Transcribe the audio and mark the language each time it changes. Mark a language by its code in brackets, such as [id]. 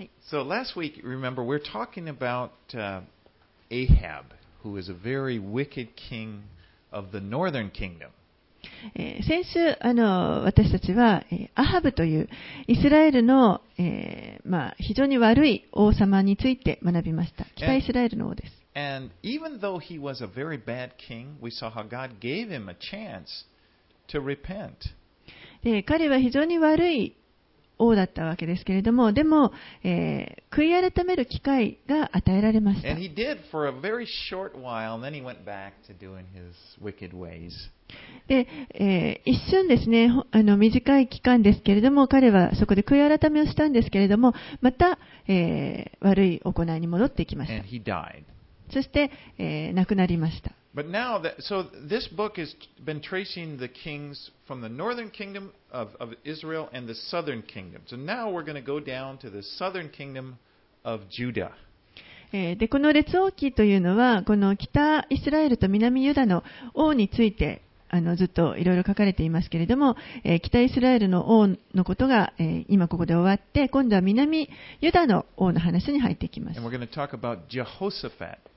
[en] So last week, remember, we're talking about Ahab, who is a very wicked king of the northern kingdom. [ja] 先週私たちはアハブというイスラエルの、非常に悪い王様について学びました。北イスラエルの王です。 [en] And even though he was a very bad king, we saw how God gave him a chance to repent. [ja] 彼は非常に悪い王だったわけですけれども、でも、悔い改める機会が与えられました。 [en] And he did for a very short while, and then he went back to doing his wicked ways. [ja] 一瞬ですね、短い期間ですけれども、彼はそこで悔い改めをしたんですけれども、また、悪い行いに戻っていきました。 [en] And he died. [ja] そして、亡くなりました。 [en] But now that, so this book has been tracing the kings from the northern kingdom of Israel and the southern kingdom. So now we're going to go down to the southern kingdom of Judah. [ja] で、この列王記というのは、この北イスラエルと南ユダの王について、ずっといろいろ書かれていますけれども、北イスラエルの王のことが、今ここで終わって、今度は南ユダの王の話に入っていきます。 [en] And we're going to talk about Jehoshaphat.